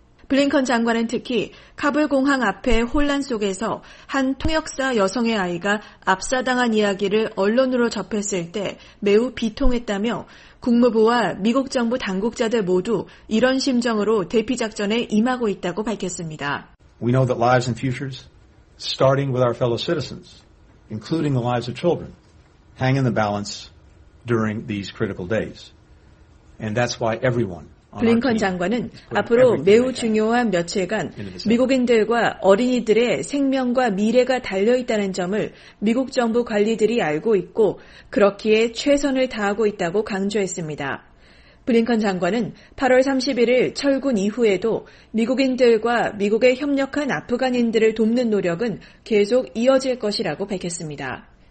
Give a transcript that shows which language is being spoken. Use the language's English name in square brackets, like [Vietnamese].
[Korean] 블링컨 장관은 특히 카불 공항 앞에 혼란 속에서 한 통역사 여성의 아이가 압사당한 이야기를 언론으로 접했을 때 매우 비통했다며 국무부와 미국 정부 당국자들 모두 이런 심정으로 대피 작전에 임하고 있다고 밝혔습니다. [English] We know that lives and futures, starting with our fellow citizens, including the lives of children, hang in the balance during these critical days. And that's why everyone [Korean] 블링컨 장관은 앞으로 매우 중요한 며칠간 미국인들과 어린이들의 생명과 미래가 달려있다는 점을 미국 정부 관리들이 알고 있고 그렇기에 최선을 다하고 있다고 강조했습니다. 블링컨 장관은 8월 31일 철군 이후에도 미국인들과 미국에 협력한 아프간인들을 돕는 노력은 계속 이어질 것이라고 밝혔습니다.